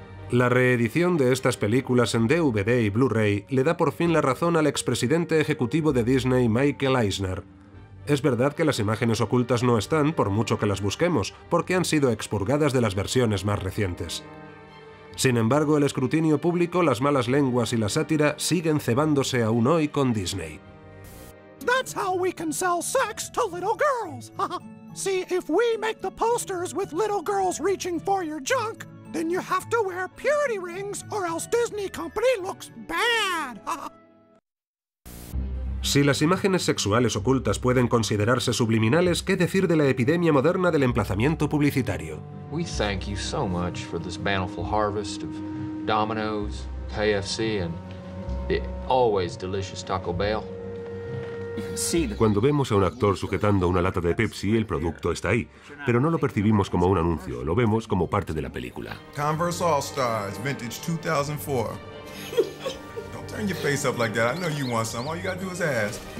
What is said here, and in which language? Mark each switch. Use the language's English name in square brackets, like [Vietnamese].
[Spanish] La reedición de estas películas en DVD y Blu-ray le da por fin la razón al expresidente ejecutivo de Disney, Michael Eisner. Es verdad que las imágenes ocultas no están, por mucho que las busquemos, porque han sido expurgadas de las versiones más recientes. Sin embargo, el escrutinio público, las malas lenguas y la sátira siguen cebándose aún hoy con Disney. [English] That's how we can sell sex to little girls. See, if we make the posters with little girls reaching for your junk, then you have to wear purity rings or else Disney Company looks bad. [Spanish] Si las imágenes sexuales ocultas pueden considerarse subliminales, ¿qué decir de la epidemia moderna del emplazamiento publicitario? [English] We thank you so much for this bountiful harvest of Domino's, KFC and the always delicious Taco Bell. [Spanish] Cuando vemos a un actor sujetando una lata de Pepsi, el producto está ahí, pero no lo percibimos como un anuncio, lo vemos como parte de la película. [English] Converse All-Stars, vintage 2004. Don't turn your face up like that. I know you want some. All you gotta do is ask.